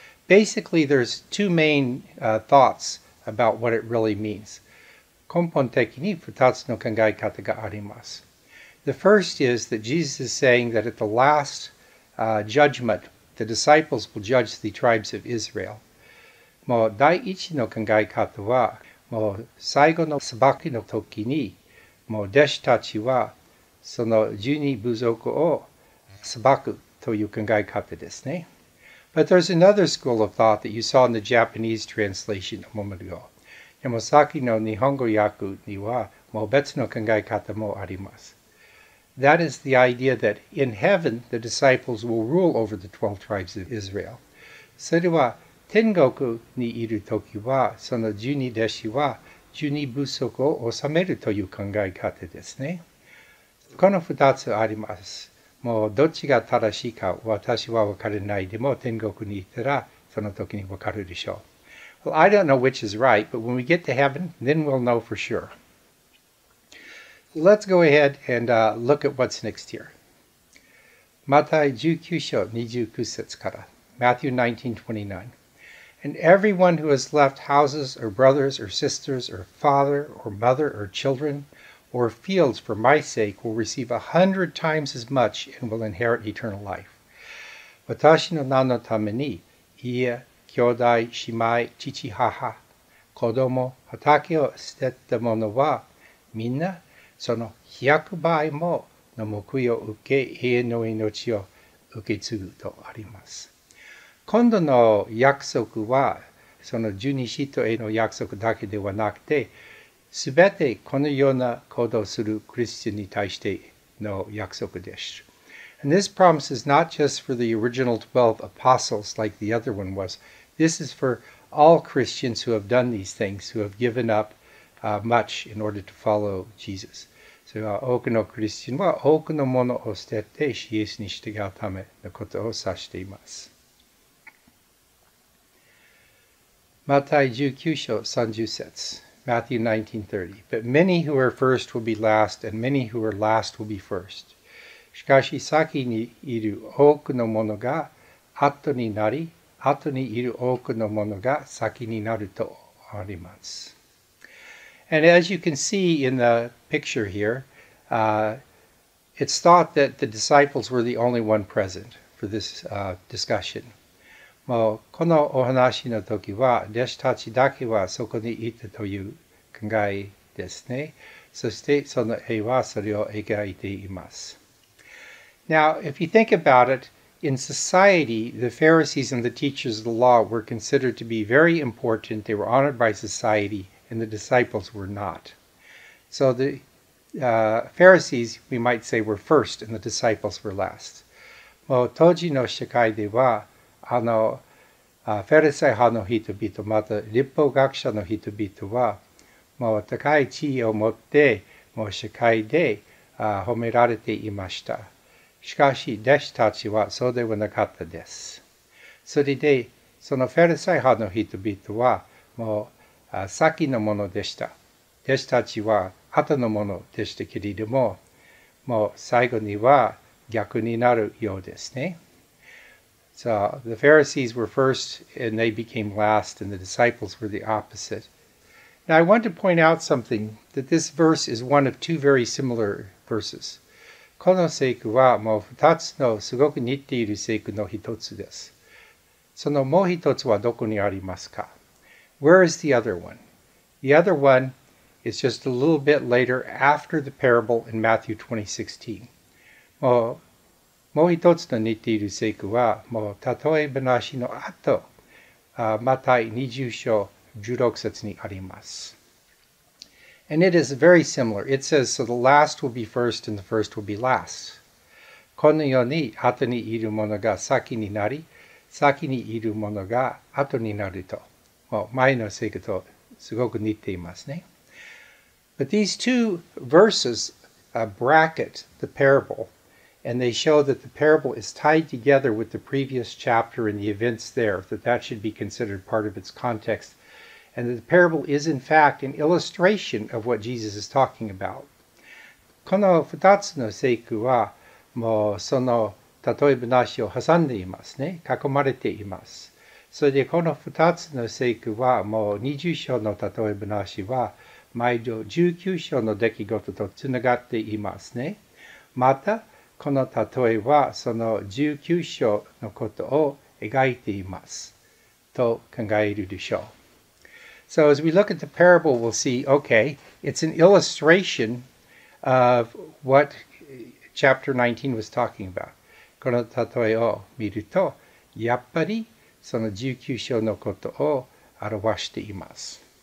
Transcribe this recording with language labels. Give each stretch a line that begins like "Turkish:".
English: Basically, there's two main thoughts about what it really means.
Japanese: 根本的に2つの考え方があります。
English: The first is that Jesus is saying that at the last judgment, the disciples will judge the tribes of Israel.
Japanese: もう第一の考え方は、もう最後の裁きの時に、もう弟子たちはその十二部族を裁く。という考え方ですね。
English: But there's another school of thought that you saw in the Japanese translation a moment ago.
Japanese: でも先の日本語訳にはもう別の考え方もあります。
English: That is the idea that in heaven, the disciples will rule over the 12 tribes of Israel.
Japanese: それは天国にいるときはその十二弟子は十二部族を治めるという考え方ですね。この二つあります。もうどっちが正しいか私は分からないでも天国に行ったらその時に分かるでしょう。
English: Well, I don't know which is right, but when we get to heaven, then we'll know for sure. Let's go ahead and look at what's next here. Matthew 19:29
Japanese: から
English: Matthew 19:29 And everyone who has left houses or brothers or sisters or father or mother or children or fields for my sake will receive 100 times as much and will inherit eternal life.
Japanese: 私の名のために家、兄弟、姉妹、父、母、子供、畑を捨てた者はみんなその100倍もの報いを受け永遠の命を受け継ぐとあります。今度の約束はその十二使徒への約束だけではなくて、すべてこのような行動するクリスチャンに対しての約束です。
English: And this promise is not just for the original 12 apostles like the other one was. This is for all Christians who have done these things, who have given up much in order to follow Jesus.
Japanese: So, 多くのクリスチャンは多くのものを捨ててイエスに従うためのことを指しています。マタイ19章30節 Matthew 19:30
English: But many who are first will be last, and many who are last will be first.
Japanese: しかし先にいる多くの者が後になり、後にいる多くの者が先になるとあります。
English: And as you can see in the picture here, it's thought that the disciples were the only one present for this discussion.
Japanese: もうこのお話の時は弟子たちだけはそこにいたという考えですね。そしてその絵はそれを描いています。
English: Now, if you think about it, in society, the Pharisees and the teachers of the law were considered to be very important. They were honored by society, and the disciples were not. So the Pharisees, we might say, were first, and the disciples were last.
Japanese: もう当時の社会ではフェルサイ派の人々、また立法学者の人々は、もう高い地位を持って、もう社会で褒められていました。しかし、弟子たちはそうではなかったです。それで、そのフェルサイ派の人々は、もう先のものでした。弟子たちは後のものでしたけれども、もう最後には逆になるようですね。
English: So the Pharisees were first and they became last, and the disciples were the opposite. Now I want to point out something, that this verse is one of two very similar verses.
Japanese: この聖句はもう二つのすごく似ている聖句の一つです。そのもう一つはどこにありますか?
English: Where is the other one? The other one is just a little bit later after the parable in Matthew 20:16.
Japanese: もう一つの似ている聖句は、もうたとえ話の後、マタイ20章16節にあります。
English: And it is very similar. It says, so the last will be first and the first will be last.
Japanese: このように、後にいる者が先になり、先にいる者が後になると。もう前の聖句とすごく似ていますね。
English: But these two verses bracket the parable. And they show that the parable is tied together with the previous chapter and the events there, that should be considered part of its context. And that the parable is, in fact, an illustration of what Jesus is talking about.
Japanese: この2つの聖句は、もうその例え話を挟んでいますね。囲まれています。それでこの2つの聖句は、もう20章の例え話は、毎度19章の出来事とつながっていますね。また、この例えはその19章のことを描いていますと考えるでしょう。
English: So as we look at the parable, we'll see, okay, it's an illustration of what chapter 19 was talking about.
Japanese: この例えを見ると、やっぱりその19章のことを表しています。